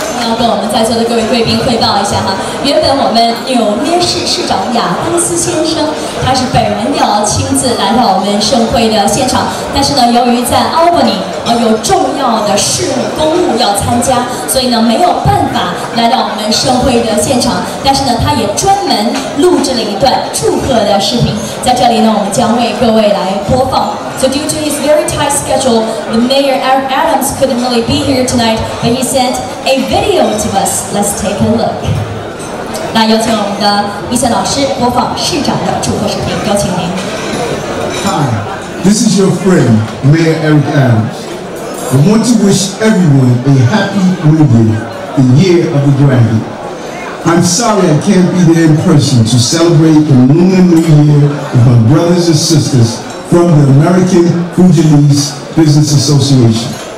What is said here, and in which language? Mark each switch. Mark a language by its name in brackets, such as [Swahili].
[Chinese] 要跟我们在座的各位贵宾汇报一下哈，原本我们纽约市市长亚当斯先生，他是本人要亲自来到我们盛会的现场，但是呢，由于在 Albany 有重要的事务公务要参加，所以呢没有办法来到我们盛会的现场，但是呢他也专门录制了一段祝贺的视频，在这里呢我们将为各位来播放。 [English] So due to his very tight schedule, the Mayor Eric Adams couldn't really be here tonight, but he sent a video to us. Let's take a look. [Chinese] 那有请我们的一线老师播放市长的祝贺视频，有请您。 [English] Hi, this is your friend, Mayor Eric Adams. I want to wish everyone a happy new year, the year of the dragon. I'm sorry I can't be there in person to celebrate the Lunar New Year with my brothers and sistersfrom the American Fujianese Business Association.